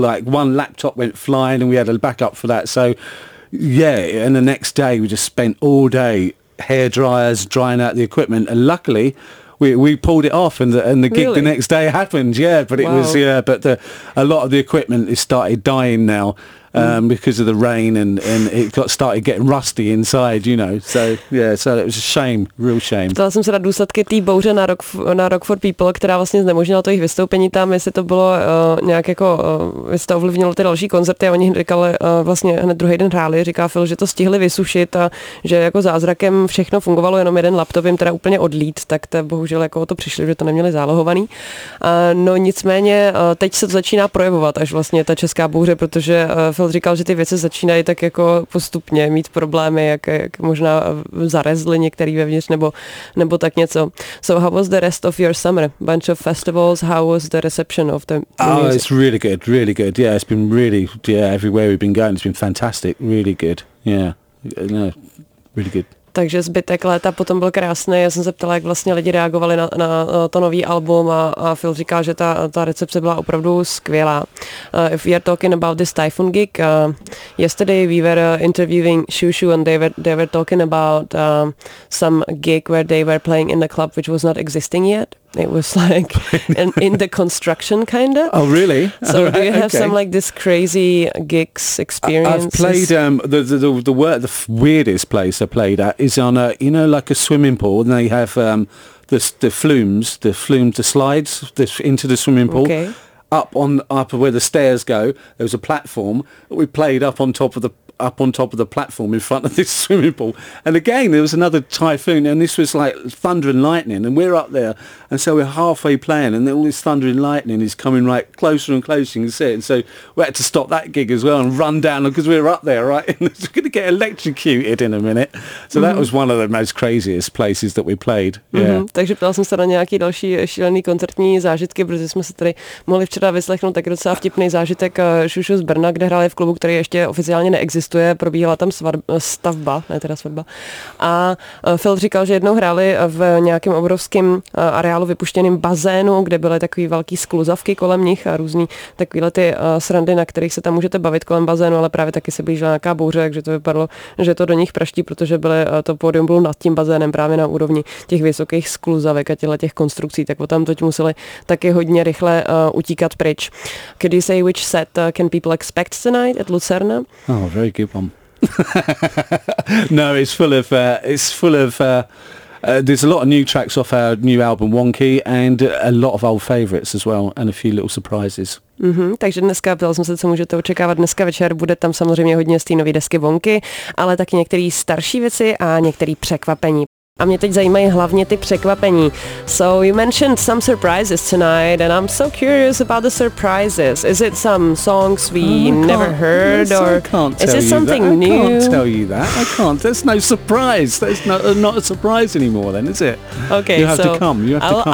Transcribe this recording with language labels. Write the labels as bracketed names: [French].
[English] Like one laptop went flying, and we had a backup for that. So yeah, and the next day we just spent all day hair dryers drying out the equipment, and luckily we pulled it off, and the gig the next day happened. Yeah, but it was, yeah, but a lot of the equipment is started dying now because of the rain, and it got started getting rusty inside, you know. So yeah, so it was a shame, real shame. [Czech] Ptala jsem se na důsledky té bouře na Rock for People, která vlastně znemožnila to jejich vystoupení tam, jestli to bylo nějak jako, jestli to ovlivnilo ty další koncerty, a oni říkali, vlastně hned druhý den hráli, říká Phil, že to stihli vysušit a že jako zázrakem všechno fungovalo, jenom jeden laptop jim teda úplně odlít, tak to bohužel jako o to přišli, že to neměli zálohovaný. No nicméně teď se to začíná projevovat, až vlastně ta česká bouře, protože Phil říkal, že ty věci začínají tak jako postupně mít problémy, jak možná zarezly některý vevnitř nebo tak něco. [English] So how was the rest of your summer? Bunch of festivals, how was the reception of the music? Oh, it's really good, really good. Yeah, it's been really, yeah, everywhere we've been going, it's been fantastic, really good. Yeah, no, really good. [Czech] Takže zbytek léta potom byl krásný. Já jsem se ptala, jak vlastně lidi reagovali na to nový album, a Phil říká, že ta recepce byla opravdu skvělá. [English] If we are talking about this typhoon gig, yesterday we were interviewing Shushu, and they were talking about some gig where they were playing in the club which was not existing yet. It was like in the construction kind of. Oh really? So right, do you have some like this crazy gigs experience? I've played the weirdest place I played at is on a, you know, like a swimming pool, and they have the flumes, the slides into the swimming pool. Okay. Up where the stairs go, there was a platform. We played up on top of the platform in front of this swimming pool, and again there was another typhoon, and this was like thunder and lightning, and we're up there, and so we're halfway playing, and then all this thunder and lightning is coming right closer and closer, you can see it. And so we had to stop that gig as well and run down, because we were up there, right, and it's going to get electrocuted in a minute. So that was one of the most craziest places that we played. [Czech] Takže ptala jsem se na nějaký další šílený koncertní zážitky, protože jsme se tady mohli včera vyslechnout taky docela vtipný zážitek Šušu z Brna, kde hráli v klubu, který ještě oficiálně neexistuje. Probíhala tam svatba. A Phil říkal, že jednou hráli v nějakém obrovském areálu vypuštěným bazénu, kde byly takový velký skluzavky kolem nich a různý takovýhle ty srandy, na kterých se tam můžete bavit kolem bazénu, ale právě taky se blížila nějaká bouře, takže to vypadalo, že to do nich praští, protože to pódium bylo nad tím bazénem, právě na úrovni těch vysokých skluzavek a těch konstrukcí, tak o tam toť museli taky hodně rychle utíkat pryč. [English] Could you say which set can people expect tonight at Lucerna? Oh. Very good one. No, there's a lot of new tracks off our new album Wonky, and a lot of old favorites as well, and a few little surprises. [Czech] Takže dneska, ptala jsem se, co můžete očekávat dneska večer, bude tam samozřejmě hodně z té nové desky Wonky, ale taky některé starší věci a některé překvapení. A mě teď zajímají hlavně ty překvapení. [English] So you mentioned some surprises tonight and I'm so curious about the surprises. Is it some songs we never heard yes, or I can't tell is it you something that. I new? I can't tell you that. I can't. There's no surprise. There's no, not a surprise anymore then, is it? Okay, you have so to come. You have to come.